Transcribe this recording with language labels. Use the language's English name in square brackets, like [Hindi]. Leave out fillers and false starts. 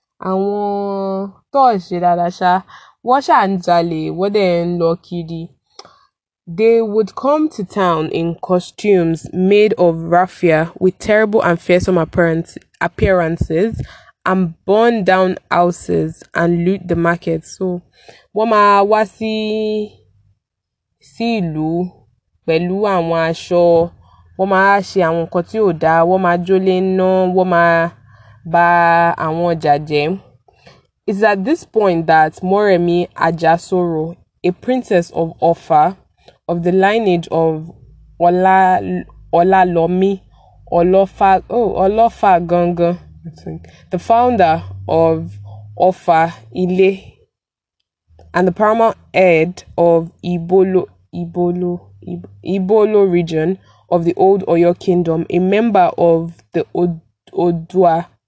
[Yoruba] Àwọn tó ṣe dáadáa ṣá wọn ṣà ń jalè wọn dẹ ń lọ kiri. [English] They would come to town in costumes made of raffia with terrible and fearsome appearances and burn down houses and loot the markets. [Yoruba] So wọn máa wá sí ìlú pẹ̀lú àwọn aṣọ wọn máa ṣe àwọn nǹkan tí ò dáa wọn máa jólé ná wọn máa ba àwọn ọjà jẹ́. [English] It's at this point that Moremi Ajasoro, a princess of Ofa, of the lineage of Olalomi, Olofa Gangan, I think, the founder of Ofa Ile, and the paramount head of Ibolo region of the old Oyo Kingdom, a member of the Odua.